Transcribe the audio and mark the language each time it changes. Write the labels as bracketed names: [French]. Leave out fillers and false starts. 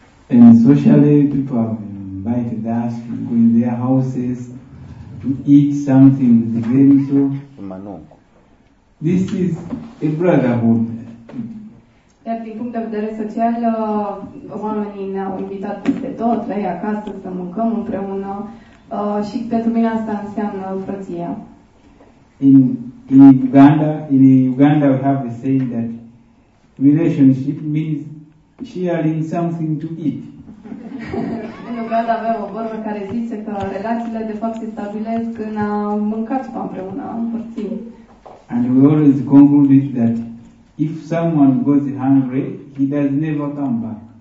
[English] And socially, people are invited us to go in their houses to eat something with them. So, this is a brotherhood. [Romanian] Iar din punct de vedere social, oamenii ne-au invitat peste tot, la ei acasă, să mâncăm împreună. Și pentru mine asta înseamnă frăția. [English] In Uganda, we have a saying that relationship means sharing something to eat. [Romanian] În Uganda avem o vorbă care zice că relațiile de fapt se stabilesc în a mânca ceva împreună, împărțim. [English] And we always conclude that if someone goes hungry, he does never come back.